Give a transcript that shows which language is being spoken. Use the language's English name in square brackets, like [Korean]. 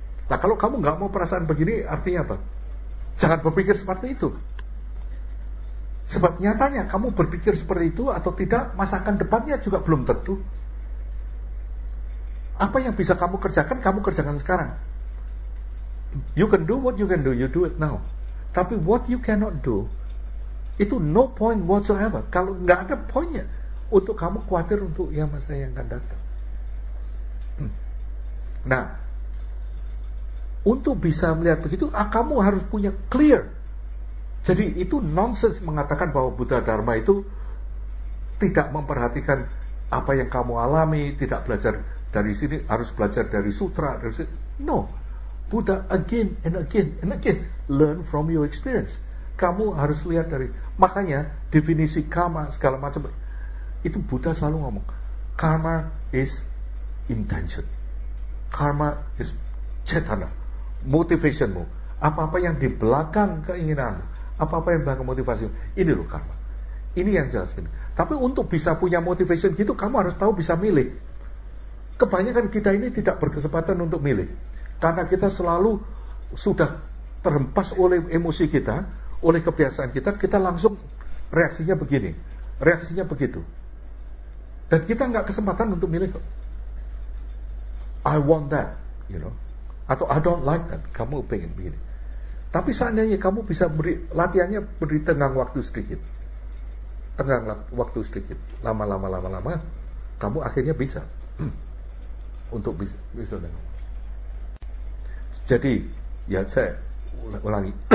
[Indonesian] Nah, kalau kamu enggak mau perasaan begini, artinya apa? Jangan berpikir seperti itu. Sebab nyatanya kamu berpikir seperti itu atau tidak, masakan depannya juga belum tentu. Apa yang bisa kamu kerjakan sekarang. [English] You can do what you do it now. [Indonesian] Tapi [English] what you cannot do, [Indonesian] itu [English] no point whatsoever. [Indonesian] Kalau enggak ada poinnya untuk kamu khawatir untuk yang masa yang akan datang. Nah, untuk bisa melihat begitu, kamu harus punya clear. Jadi itu nonsense mengatakan bahwa Buddha Dharma itu tidak memperhatikan apa yang kamu alami, tidak belajar dari sini, harus belajar dari sutra, dari sini. [English] No. Buddha again and again and again learn from your experience. [Indonesian] Kamu harus lihat dari, makanya definisi karma segala macam itu Buddha selalu ngomong [English] karma is intention, karma is cetana, [Indonesian] motivationmu, apa-apa yang di belakang keinginanmu, apa-apa yang di belakang motivasi, ini loh karma. Ini yang jelasin. Tapi untuk bisa punya motivation gitu, kamu harus tahu bisa milih. Kebanyakan kita ini tidak berkesempatan untuk milih, karena kita selalu sudah terhempas oleh emosi kita, oleh kebiasaan kita, kita langsung reaksinya begini, reaksinya begitu. Dan kita enggak kesempatan untuk milih. [English] I want that, you know. [Indonesian] Atau [English] I don't like that, [Indonesian] kamu pengen begini. Tapi seandainya kamu bisa beri, latihannya beri tenggang waktu sedikit. Tenggang waktu sedikit, lama-lama, kamu akhirnya bisa. Untuk bisa dengan. Jadi, ya saya ulangi.